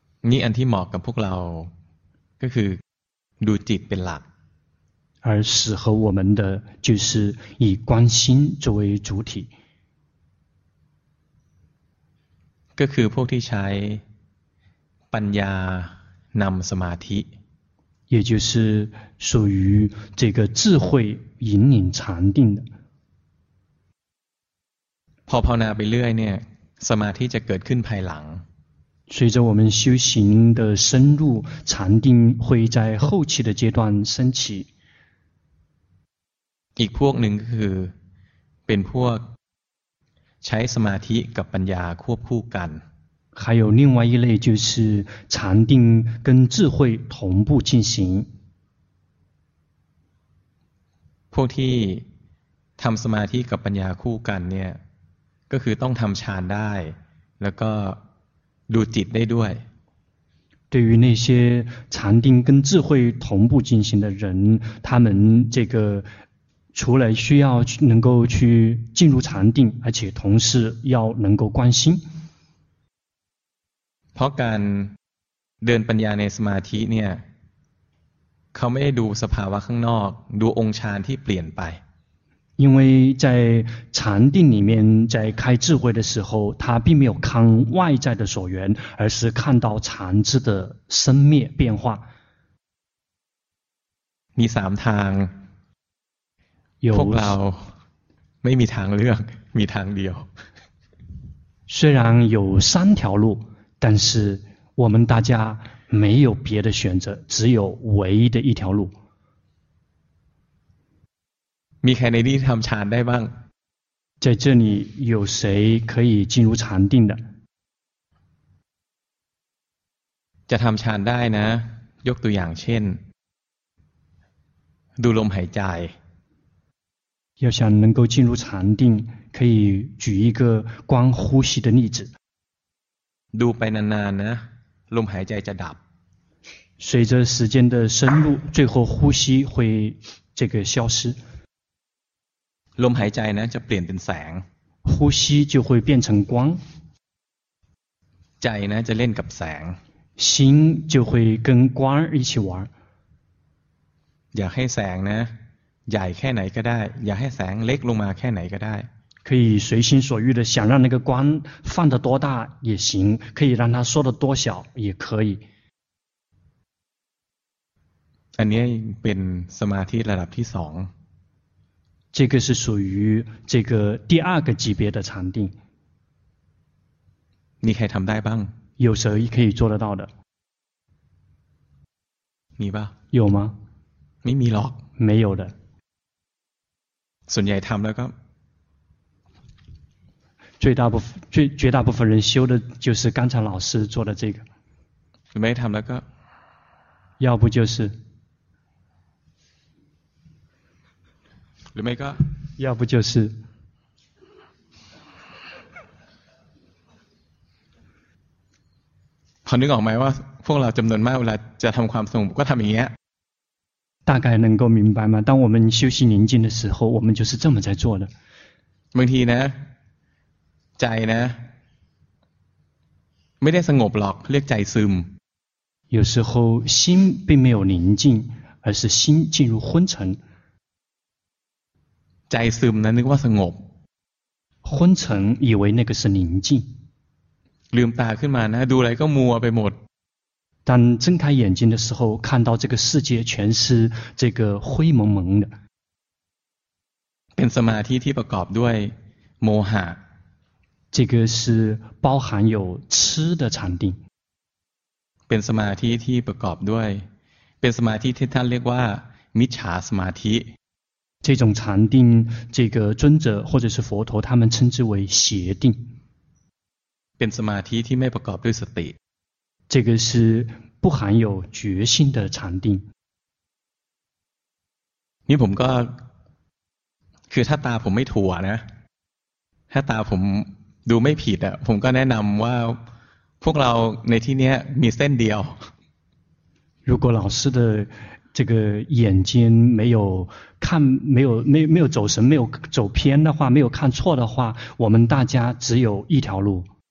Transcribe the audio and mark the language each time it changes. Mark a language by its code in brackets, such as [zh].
[th] นี่อันที่เหมาะกับพวกเราก็คือดูจิตเป็นหลัก [zh] 而适合我们的就是以观心作为主体 [th] ก็คือพวกที่ใช้ปัญญานำสมาธิ [zh] 也就是属于这个智慧引领禅定的。 [th] พอภาวนาไปเรื่อยเนี่ยสมาธิจะเกิดขึ้นภายหลัง [zh] 随着我们修行的深入禅定会在后期的阶段升起 [th] อีกพวกหนึ่งก็คือเป็นพวกใช้สมาธิกับปัญญาควบคู่กัน [zh] 还有另外一类就是禅定跟智慧同步进行 [th] พวกที่ทำสมาธิกับปัญญาคู่กันเนี่ยก็คือต้องทำฌานได้แล้วก็ดูจิตได้ด้วย [zh] 对于那些禅定跟智慧同步进行的人他们这个除了需要能够去进入禅定而且同时要能够观心 [th] เพราะการเดินปัญญาในสมาธิเนี่ยเขาไม่ได้ดูสภาวะข้างนอกดูองค์ฌานที่เปลี่ยนไป [zh] 因为在禅定里面在开智慧的时候他并没有看外在的所缘而是看到禅智的生灭变化 [th] มีสามทาง พ วกเราไม่มีทางเลือกมีทางเดียว [zh] 虽然有三条路但是我们大家没有别的选择只有唯一的一条路 [th] มีใครในนี้ทำฌานได้บ้าง [zh] 在这里有谁可以进入禅定的 [th] จะทำฌานได้นะยกตัวอย่างเช่นดูลมหายใจ [zh] 要想能够进入禅定可以举一个光呼吸的例子 [th] ดูไปนานๆนะลมหายใจจะดับ [zh] 随着时间的深入最后呼吸会这个消失 [th] ลมหายใจนะจะเปลี่ยนเป็นแสง [zh] 呼吸就会变成光 [th] ใจนะจะเล่นกับแสง [zh] 心就会跟光一起玩 [th] อยากให้แสงนะใหญ่แค่ไหนก็ได้อยากให้แสงเล็กลงมาแค่ไหนก็ได้ [zh] 可以随心所欲的想让那个光放得多大也行可以让它缩得多小也可以 [th] อันนี้เป็นสมาธิระดับที่สอง [zh] 这个是属于这个第二个级别的禅定 [th] มีใครทำได้บ้าง [zh] 有谁可以做得到的 [th] มีป่ะ [zh] 有吗 [th] ไม่มีหรอก [zh] 没有的 [th] ส่วนใหญ่ทำแล้วก็ [zh] 绝大部分人修的就是刚才老师做的这个没他们那个要不就是没个要不就是可能搞没哇，碰了这么多，我来加他们宽松，不过他们也。大概能够明白吗？当我们休息宁静的时候，我们就是这么在做的。 [th] บางทีนะใจนะไม่ได้สงบหรอกเรียกใจซึม [zh] 有时候心并没有宁静而是心进入昏沉 [th] ใจซึมนะนึกว่าสงบ [zh] 昏沉以为那个是宁静 [th] ลืมตาขึ้นมานะดูอะไรก็มัวไปหมด [zh] 当睁开眼睛的时候看到这个世界全是这个灰蒙蒙的 [th] เป็นสมาธิที่ประกอบด้วยโมหะ [zh] 这个是包含有痴的禅定 [th] เป็นสมาธิที่ประกอบด้วยเป็นสมาธิที่ท่านเรียกว่ามิจฉาสมาธิ [zh] 这种禅定这个尊者或者是佛陀他们称之为邪定 [th] เป็นสมาธิที่ไม่ประกอบด้วยสติ [zh] 这个是不含有觉性的禅定 [th] นี่ผมก็คือถ้าตาผมไม่ถั่วนะถ้าตาผมดูไม่ผิดอ่ะผมก็แนะนำว่าพวกเราในที่นี้มีเส้นเดียว [zh] 如果老师的这个眼睛没有看没有走神没有走偏的话没有看错的话我们大家只有一条路